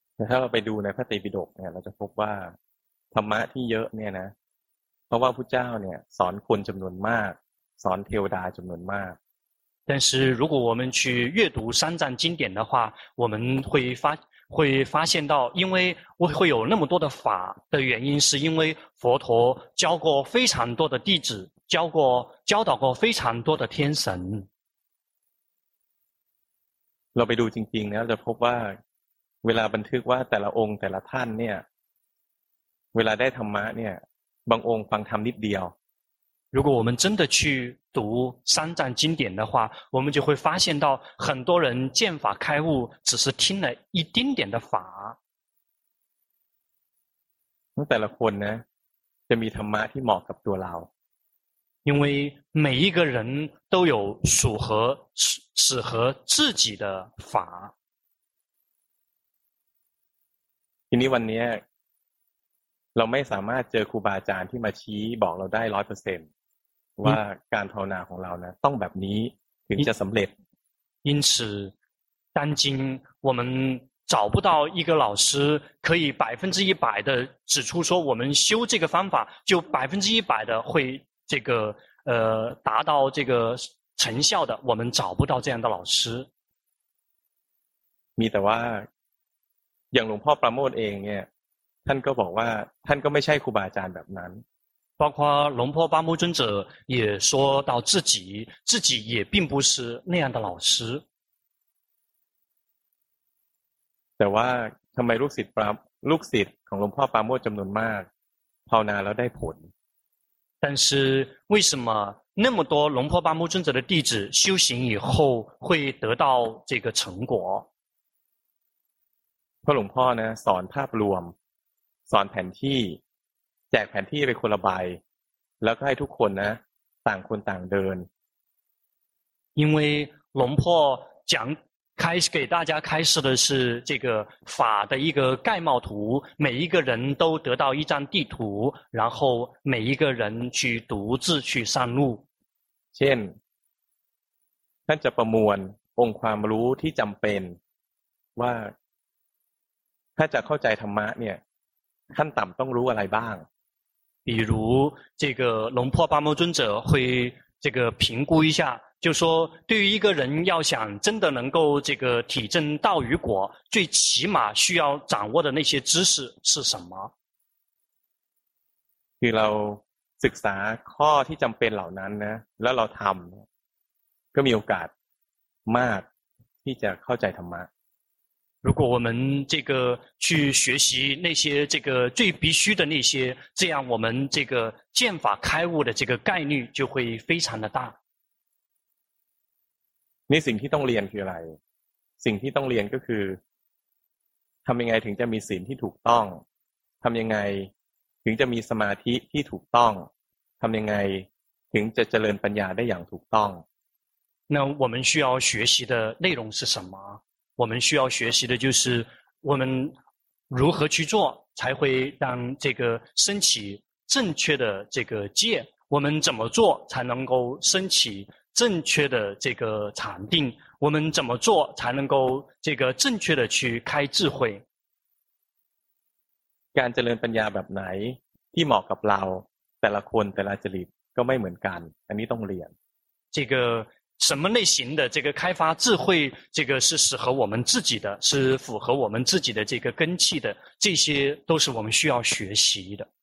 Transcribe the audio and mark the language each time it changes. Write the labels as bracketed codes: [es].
[th] ถ้าเราไปดูในพระไตรปิฎกเนี่ยเราจะพบว่าธรรมะที่เยอะเนี่ยนะเพราะว่าพุทธเจ้าเนี่ยสอนคนจำนวนมากสอนเทวดาจำนวนมาก [zh] 但是如果我们去阅读三藏经典的话我们会发现到因为会有那么多的法的原因是因为佛陀教过非常多的弟子教导过非常多的天神 [th] เราไปดูจริงๆแล้วจะพบว่าเวลาบันทึกว่าแต่ละองค์แต่ละท่านเนี่ยเวลาได้ธรรมะเนี่ยบางองค์ฟังธรรมนิดเดียว [zh] 如果我们真的去读三藏经典的话我们就会发现到很多人见法开悟只是听了一丁点的法 [th] แต่ละคนนะจะมีธรรมะที่เหมาะกับตัวเรา [zh] 因为每一个人都有适合自己的法 [th] ทีนี้วันนี้เราไม่สามารถเจอครูบาอาจารย์ที่มาชี้บอกเราได้ 100% ว่าการภาวนาของเรานะต้องแบบนี้ถึงจะสำเร็จ [zh] 因此当今我们找不到一个老师可以100%的指出说我们修这个方法就100%的会这个达到这个成效的我们找不到这样的老师 [th] มีแต่ว่าอย่างหลวงพ่อประโมทเองเนี่ยท่านก็บอกว่าท่านก็ไม่ใช่ครูบาอาจารย์แบบนั้น [zh] 包括龙婆巴木尊者也说到自己也并不是那样的老师 [th] แต่ว่าทำไมลูกศิษย์ของหลวงพ่อปราโมทจำนวนมากภาวนาแล้วได้ผล [zh] 但是为什么那么多龙婆巴木尊者的弟子修行以后会得到这个成果 [th] พระหลวงพ่อนะสอนภาพรวมสอนแผนที่แจกแผนที่ไปคนละใบแล้วก็ให้ทุกคนนะต่างคนต่างเดิน [zh] 因为龙婆讲开始给大家开示的是这个法的一个概貌图每一个人都得到一张地图然后每一个人去独自去上路 [th] เช่นท่านจะประมวลองค์ความรู้ที่จำเป็นว่าถ้าจะเข้าใจธรรมะเนี่ยขั้นต่ำต้องรู้อะไรบ้าง [zh] 比如这个龙婆巴木尊者会这个评估一下就说对于一个人要想真的能够这个体证道与果最起码需要掌握的那些知识是什么 [th] คือเราศึกษาข้อที่จำเป็นเหล่านั้นนะแล้วเราทำก็มีโอกาสมากที่จะเข้าใจธรรมะ [zh] 如果我们这个去学习那些这个最必须的那些，这样我们这个见法开悟的这个概率就会非常的大。 [th] 那สิ่งที่ต้องเรียนคืออะไร？ สิ่งที่ต้องเรียนก็คือทำยังไงถึงจะมีศีลที่ถูกต้อง？ ทำยังไงถึงจะมีสมาธิที่ถูกต้อง？ทำยังไงถึงจะเจริญปัญญาได้อย่างถูกต้อง？ [zh] 那我们需要学习的内容是什么？我们需要学习的就是我们如何去做才会让这个升起正确的这个戒，我们怎么做才能够升起正确的这个禅定，我们怎么做才能够这个正确的去开智慧。 [th] การเจริญปัญญาแบบไหนที่เหมาะกับเราแต่ละคนแต่ละจริตก็ไม่เหมือนกันอันนี้ต้องเรียน [zh] 这个什么类型的这个开发智慧，这个是适合我们自己的，是符合我们自己的这个根气的，这些都是我们需要学习的。